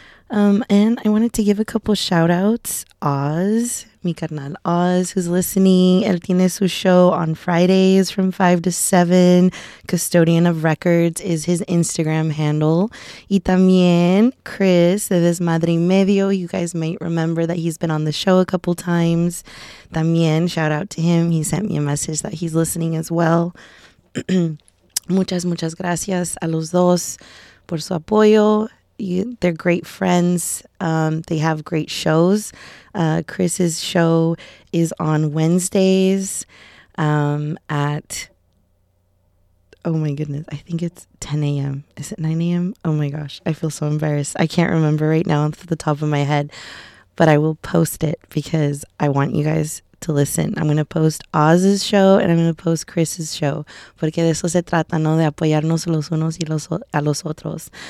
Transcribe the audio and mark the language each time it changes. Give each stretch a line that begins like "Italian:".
English: And I wanted to give a couple shout-outs. Oz,
Spanish: mi carnal
English: Oz, who's listening.
Spanish: Él tiene su show
English: on Fridays from 5 to 7. Custodian of Records is his Instagram handle.
Spanish: Y también Chris de Desmadre Medio.
English: You guys might remember that he's been on the show a couple times. También, shout-out to him. He sent me a message that he's listening as well.
Spanish: Muchas, muchas gracias a los dos por su apoyo.
English: They're great friends. They have great shows. Chris's show is on Wednesdays at, oh my goodness, I think it's 10 a.m. Is it 9 a.m.? Oh my gosh, I feel so embarrassed. I can't remember right now off the top of my head, but I will post it because I want you guys to listen. I'm going to post Oz's show and I'm going to post Chris's show.
Spanish: Porque de eso se trata, ¿no? De apoyarnos los unos y los a los otros.